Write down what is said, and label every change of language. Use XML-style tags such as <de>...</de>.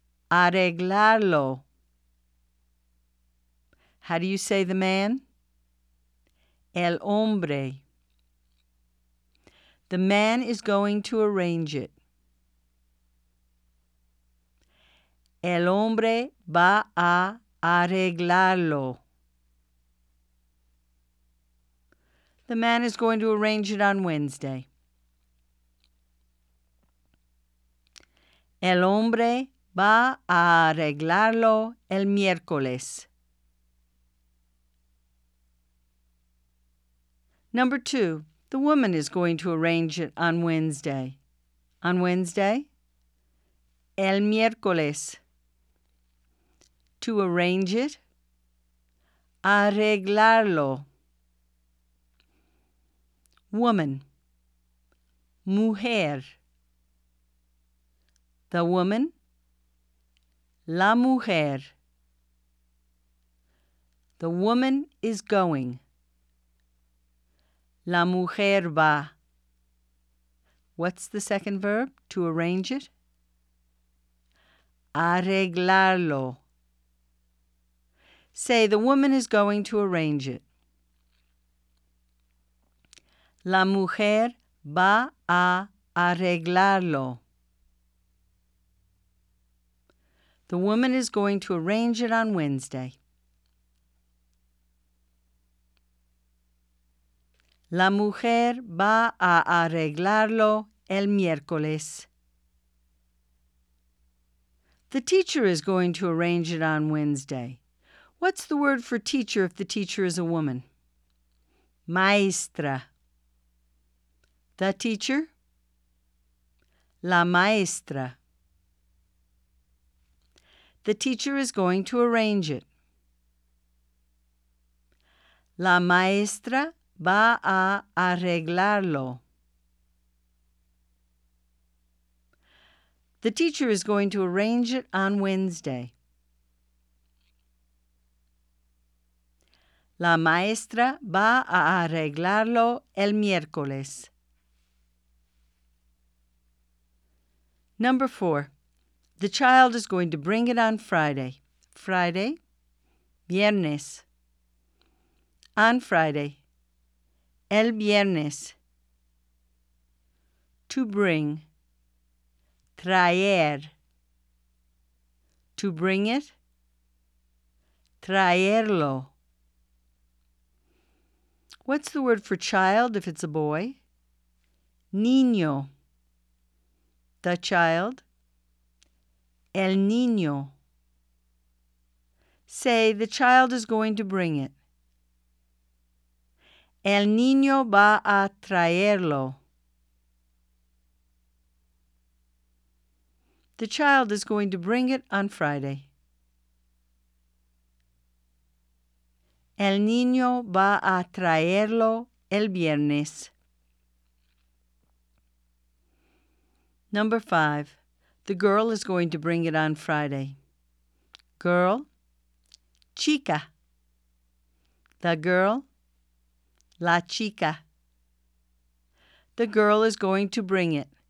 <es>Arreglarlo.</es> <en>How do you say the man?</en> <es>El hombre.</es> <en>The man is going to arrange it.</en> <es>El hombre va a arreglarlo.</es> <en>The man is going to arrange it on Wednesday.</en> <es>El hombre va a arreglarlo el miércoles.</es> <en>Number 2. The woman is going to arrange it on Wednesday. On Wednesday?</en> <es>El miércoles.</es> <en>To arrange it, arreglarlo. Woman, mujer. The woman,</en> <es>la mujer.</es> <en>The woman is going.</en> <es>La mujer va.</es> <en>What's the second verb to arrange it? Arreglarlo. Say, the woman is going to arrange it.</en> <es>La mujer va a arreglarlo.</es> <en>The woman is going to arrange it on Wednesday.</en> <es>La mujer va a arreglarlo el miércoles.</es> <en>The teacher is going to arrange it on Wednesday. What's the word for teacher if the teacher is a woman? Maestra. The teacher?</en> <es>La maestra.</es> <en>The teacher is going to arrange it.</en> <es>La maestra va a arreglarlo.</es> <en>The teacher is going to arrange it on Wednesday.</en> <es>La maestra va a arreglarlo el miércoles.</es> <en>Number 4. The child is going to bring it on Friday. Friday. Viernes. On Friday.</en> <es>El viernes.</es> <en>To bring. Traer. To bring it.</en> <es>Traerlo.</es> <en>What's the word for child if it's a boy? Niño. The child.</en> <es>El niño.</es> <en>Say, the child is going to bring it.</en> <es>El niño va a traerlo.</es> <en>The child is going to bring it on Friday.</en> <es>El niño va a traerlo el viernes.</es> <en>Number 5. The girl is going to bring it on Friday. Girl, chica. The girl,</en> <es>la chica.</es> <en>The girl is going to bring it.</en>